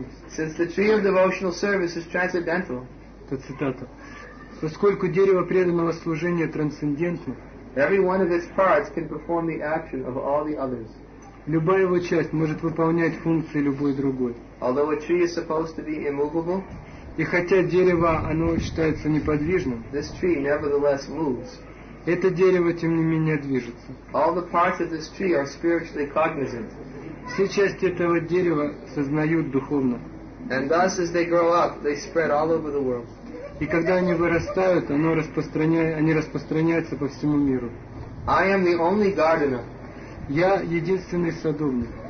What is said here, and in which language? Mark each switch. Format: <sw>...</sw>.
<en>Since the tree of devotional service is transcendental,</en> <ru>это цитата. Поскольку дерево преданного служения трансцендентно,</ru> <en>every one of its parts can perform the action of all the others.</en> <ru>Любая его часть может выполнять функции любой другой.</ru> <en>Although a tree is supposed to be immovable,</en> <ru>и хотя дерево, оно считается неподвижным,</ru> <en>this tree nevertheless moves.</en> <ru>Это дерево, тем не менее, движется.</ru> <en>All the parts of this tree are spiritually cognizant.</en> <ru>Все части этого дерева сознают духовно.</ru> <en>And thus, as they grow up, they spread all over the world.</en> <ru>И когда они вырастают, они распространяются по всему миру.</ru> <en>I am the only gardener.</en> <ru>Я единственный садовник.</ru>